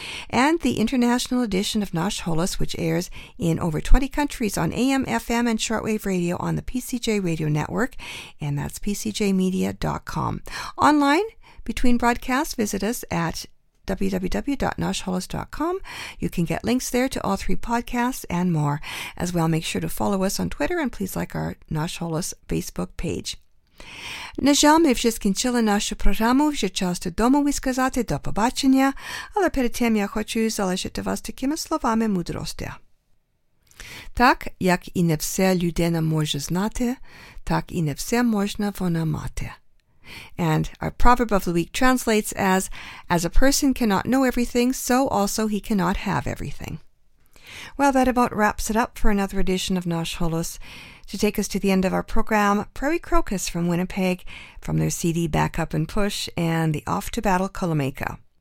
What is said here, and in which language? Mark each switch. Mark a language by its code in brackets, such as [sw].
[en] And the international edition of Nash Holos, which airs in over 20 countries on AM, FM, and shortwave radio on the PCJ Radio Network, and that's pcjmedia.com. Online, between broadcasts, visit us at www.noshholos.com. You can get links there to all three podcasts and more. As well, make sure to follow us on Twitter and please like our Nash Holos Facebook page. [uk] На жаль, ми вже скінчили нашу програму, вже час додому висказати до побачення, але перед тим я хочу залишити вас такими словами мудрості. Так, як і не все людина може знати, так і не все можна вона мати. [en] And our proverb of the week translates as a person cannot know everything, so also he cannot have everything. Well, that about wraps it up for another edition of Nash Holos. To take us to the end of our program, Prairie Crocus from Winnipeg, from their CD Back Up and Push, and the Off to Battle Kalameka.